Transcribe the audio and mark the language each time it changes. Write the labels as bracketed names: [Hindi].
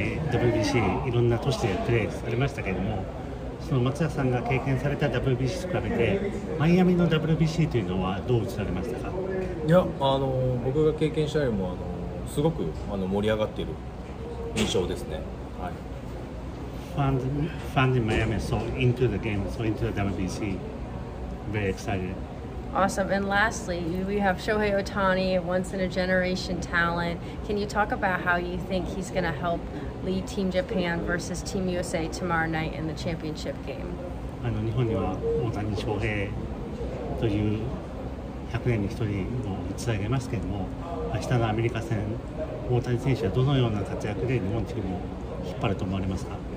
[Japanese] WBC、いろんな都市でプレーされましたけども、その松也さんが経験された WBC と比べて、マイアミの WBC というのはどう映されましたか？いや、僕が経験したよりも、すごく盛り上がっている印象ですね。 [English] Fans in Miami so into the game, so into the WBC. Very excited. Awesome. And lastly, we have Shohei Ohtani, a once-in-a-generation talent. Can you talk about how you think he's going to help lead Team Japan versus Team USA tomorrow night in the championship game? [Japanese] 日本には大谷翔平という100年に1人の逸材がいますけれども、明日のアメリカ戦、大谷選手はどのような活躍で日本チームを引っ張ると思われますか？